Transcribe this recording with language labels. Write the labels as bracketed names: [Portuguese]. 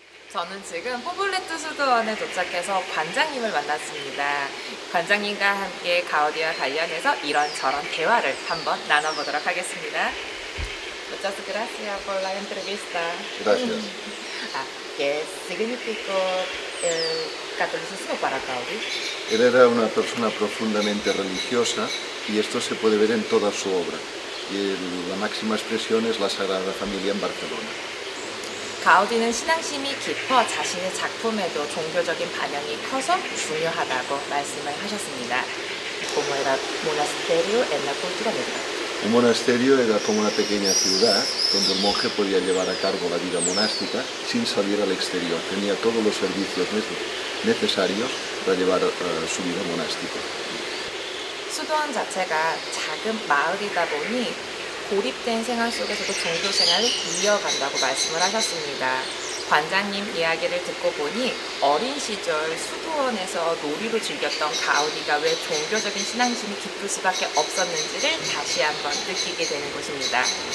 [Korean] 저는 지금 포블레트 수도원에 도착해서 관장님을 만났습니다. 관장님과 함께 가우디와 관련해서 이런저런 대화를 한번 나눠보도록 하겠습니다. [Spanish] Muchas gracias por la entrevista. Gracias. ¿Qué significó el catolicismo para Gaudí? Él era una persona profundamente religiosa y esto se puede ver en toda su obra. Y la máxima expresión es la Sagrada Familia en Barcelona. [Korean] Gaudí는 신앙심이 깊어 자신의 작품에도 종교적인 반영이 커서 중요하다고 말씀을 하셨습니다. [Spanish] ¿Cómo era monasterio en la cultura medieval? Un monasterio era como una pequeña ciudad donde el monje podía llevar a cargo la vida monástica sin salir al exterior. Tenía todos los servicios necesarios para llevar su vida monástica. [Korean] 수도원 자체가 작은 마을이다 보니 고립된 생활 속에서도 종교 생활을 이어간다고 말씀을 하셨습니다. 관장님 이야기를 듣고 보니 어린 시절 수도원에서 놀이로 즐겼던 가우디가 왜 종교적인 신앙심이 깊을 수밖에 없었는지를 다시 한번 느끼게 되는 것입니다.